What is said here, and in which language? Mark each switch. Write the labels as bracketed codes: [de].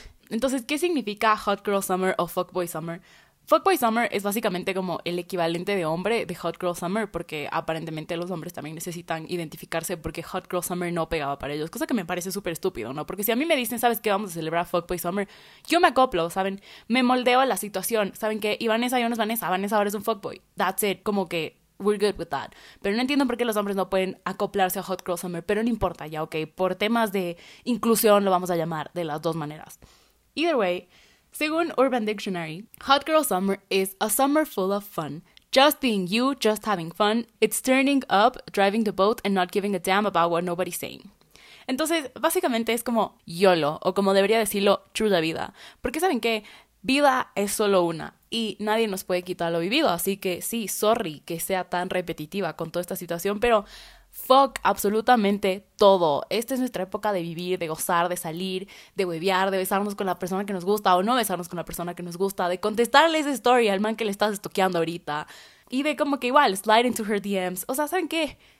[es] Entonces, ¿qué significa Hot Girl Summer o Fuckboy Summer? Fuckboy Summer es básicamente como el equivalente de hombre de Hot Girl Summer, porque aparentemente los hombres también necesitan identificarse porque Hot Girl Summer no pegaba para ellos, cosa que me parece súper estúpido, ¿no? Porque si a mí me dicen, ¿sabes qué? Vamos a celebrar Fuckboy Summer, yo me acoplo, ¿saben? Me moldeo a la situación, ¿saben qué? Y Vanessa ya no es Vanessa, Vanessa ahora es un fuckboy. [en] That's it, [es] como que [en] we're good with that. [es] Pero no entiendo por qué los hombres no pueden acoplarse a Hot Girl Summer, pero no importa, ya, ok, por temas de inclusión lo vamos a llamar de las dos maneras. [en] Either way, [es] según [en] Urban Dictionary, Hot Girl Summer is a summer full of fun. Just being you, just having fun. It's turning up, driving the boat, and not giving a damn about what nobody's saying. [es] Entonces, básicamente es como YOLO, o como debería decirlo, true la vida. Porque ¿saben qué? Vida es solo una. Y nadie nos puede quitar lo vivido, así que sí, sorry que sea tan repetitiva con toda esta situación, pero fuck absolutamente todo. Esta es nuestra época de vivir, de gozar, de salir, de huevear, de besarnos con la persona que nos gusta o no besarnos con la persona que nos gusta, de contestarle esa story al man que le estás estoqueando ahorita y de como que igual, [en] slide into her DMs. [es] O sea, ¿saben qué?